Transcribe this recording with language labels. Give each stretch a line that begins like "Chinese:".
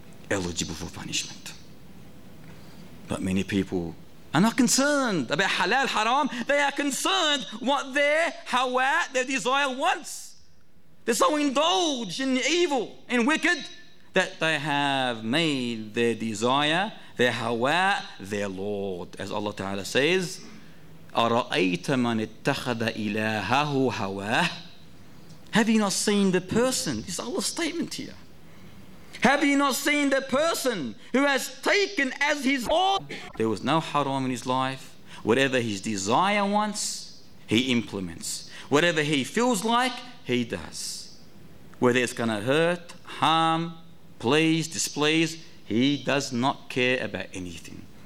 English: Eligible for punishment. But many people are not concerned about halal, haram. They are concerned what their hawa, their desire wants. They're so indulged in evil and wicked that they have made their desire, their hawa, their Lord. As Allah Ta'ala says,
Arabic: أَرَأَيْتَ مَنِ اتَّخَذَ إِلَاهَهُ هَوَاهُ.
English: Have you not seen the person? This is Allah's statement here. Have you not seen the person who has taken as his Lord? There was no haram in his life. Whatever his desire wants, he implements. Whatever he feels like, he does. Whether it's going to hurt, harm, please, displease, he does not care about anything.